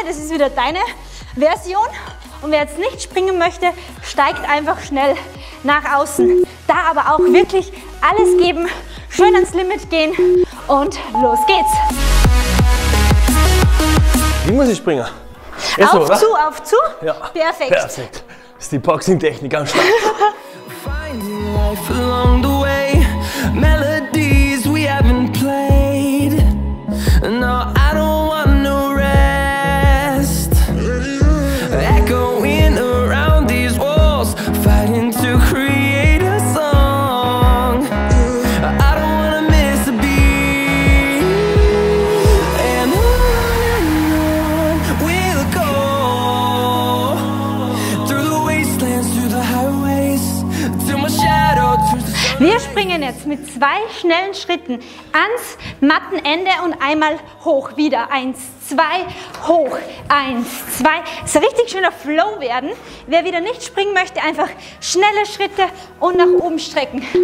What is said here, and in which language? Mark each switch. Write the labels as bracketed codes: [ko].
[de] Das ist wieder deine Version. Und wer jetzt nicht springen möchte, steigt einfach schnell nach außen. Da aber auch wirklich alles geben, schön ans Limit gehen und los geht's. Wie muss ich springen? Ist auf so, zu, auf zu. Ja. Perfekt. Perfekt. Ist die Boxing-Technik am Start. [en] Along the way, melodies we haven't played. No, I don't want no rest. Echoing around these walls, fighting to create a song. I don't wanna miss a beat. And on we'll go through the wastelands, through the highways, through my shadow. [de] Wir springen jetzt mit zwei schnellen Schritten ans Mattenende und einmal hoch. Wieder eins, zwei, hoch, eins, zwei. Es ist richtig schöner Flow werden. Wer wieder nicht springen möchte, einfach schnelle Schritte und nach oben strecken.